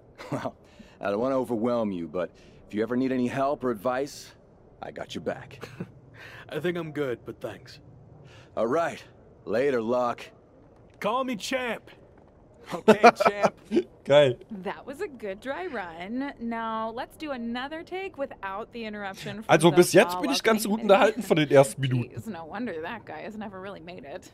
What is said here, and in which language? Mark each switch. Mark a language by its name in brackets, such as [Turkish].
[English] Well, I don't want to overwhelm you, but if you ever need any help or advice, I got your back. I think I'm good, but thanks. All right. Later, Locke. Call me champ. Okay, champ. Okay. That was a good dry run. Now, let's do another take without the interruption. [German] Also, bis jetzt bin ich ganz gut unterhalten von den ersten Minuten. [English] Jeez, no wonder that guy has never really made it.